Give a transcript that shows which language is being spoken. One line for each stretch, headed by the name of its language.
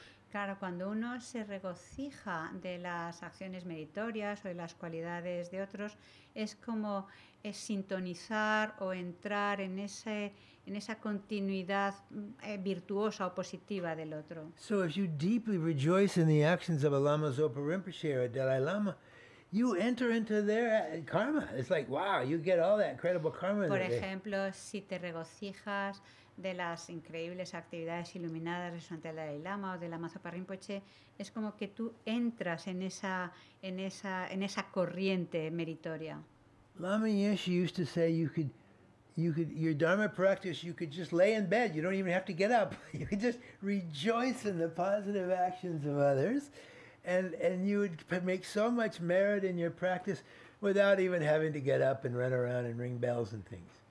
Spanish: Claro, cuando uno se regocija de las acciones meritorias o de las cualidades de otros, es como es sintonizar o entrar en esa continuidad virtuosa o positiva del otro.
English: So if you deeply rejoice in the actions of a Lama Zopa Rinpoche or a Dalai Lama, you enter into their karma. It's like, wow, you get all that incredible karma.
Spanish: Por ejemplo, si te regocijas de las increíbles actividades iluminadas de su ante el Dalai Lama o de la Mazo Parrinpoche, es como que tú entras en esa corriente meritoria.
English: Lama Yeshe used to say you could your dharma practice, you could just lay in bed, you don't even have to get up. You could just rejoice in the positive actions of others, and you would make so much merit in your practice without even having to get up and run around and ring bells and things.